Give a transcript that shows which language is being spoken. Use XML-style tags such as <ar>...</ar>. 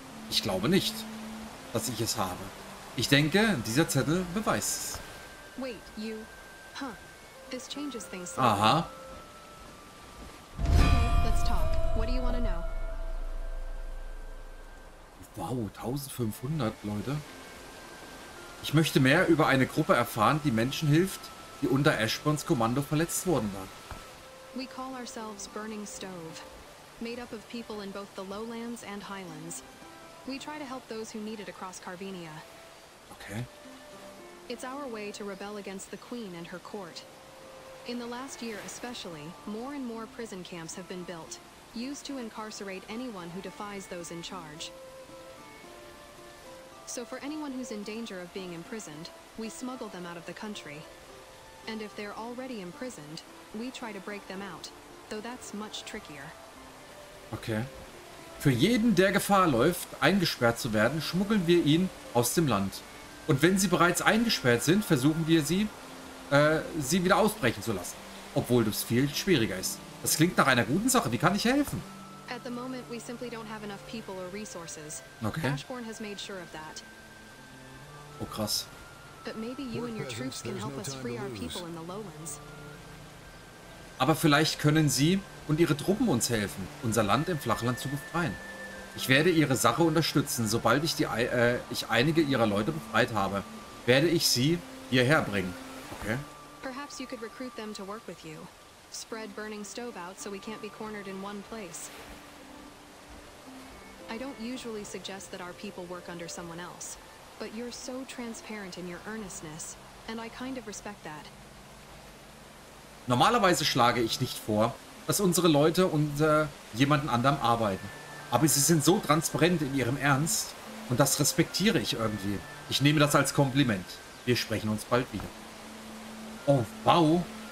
<de>Ich glaube nicht, dass ich es habe. Ich denke, dieser Zettel beweist es.</de> <en>Wait, you... huh. This changes things.</en> <de>Aha.</de> <en>Okay, let's talk. What do you want to know?</en> <de>Wow, 1500 Leute. Ich möchte mehr über eine Gruppe erfahren, die Menschen hilft, die unter Ashburns Kommando verletzt worden war.</de> <en>We call ourselves Burning Stove, made up of people in both the Lowlands and Highlands. We try to help those who need it across Carvenia. Okay. It's our way to rebel against the Queen and her court. In the last year especially, more and more prison camps have been built, used to incarcerate anyone who defies those in charge. So for anyone who's in danger of being imprisoned, we smuggle them out of the country. And if they're already imprisoned, we try to break them out, though that's much trickier. Okay.</en> <de>Für jeden, der Gefahr läuft, eingesperrt zu werden, schmuggeln wir ihn aus dem Land. Und wenn sie bereits eingesperrt sind, versuchen wir sie wieder ausbrechen zu lassen. Obwohl das viel schwieriger ist. Das klingt nach einer guten Sache. Wie kann ich helfen?</de> <en>At the moment, we simply don't have enough people or resources. Okay. Ashburn has made sure of that.</en> <de>Oh, krass.</de> <en>But maybe you and your troops can help us free our people in the Lowlands.</en> <de>Aber vielleicht können sie und ihre Truppen uns helfen, unser Land im Flachland zu befreien. Ich werde ihre Sache unterstützen. Sobald ich ich einige ihrer Leute befreit habe, werde ich sie hierher bringen. Okay.</de> <en>Perhaps you could recruit them to work with you. Spread Burning Stove out, so we can't be cornered in one place. I don't usually suggest that our people work under someone else. But you're so transparent in your earnestness, and I kind of respect that.</en> <de>Normalerweise schlage ich nicht vor, dass unsere Leute unter jemanden anderem arbeiten. Aber sie sind so transparent in ihrem Ernst, und das respektiere ich irgendwie. Ich nehme das als Kompliment. Wir sprechen uns bald wieder. Oh, wow.</de>